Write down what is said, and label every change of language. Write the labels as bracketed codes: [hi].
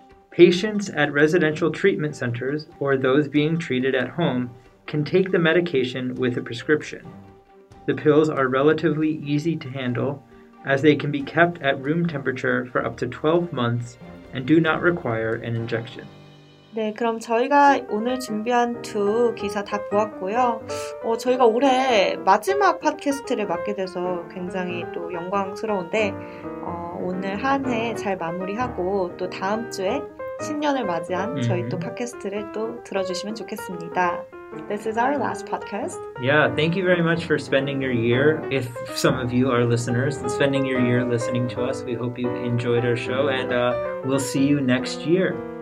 [en] Patients at residential treatment centers or those being treated at home can take the medication with a prescription. The pills are relatively easy to handle as they can be kept at room temperature for up to 12 months and do not require an injection. [ko] 네, 그럼 저희가 오늘 준비한 두 기사 다 보았고요. 저희가 올해 마지막 팟캐스트를 맡게 돼서 굉장히 또 영광스러운데 오늘 한 해 잘 마무리하고 또 다음 주에 신년을 맞이한 저희 또 팟캐스트를 또 들어주시면 좋겠습니다. [en] This is our last podcast. Yeah, thank you very much for spending your year. If some of you are listeners, spending your year listening to us, we hope you enjoyed our show, and we'll see you next year.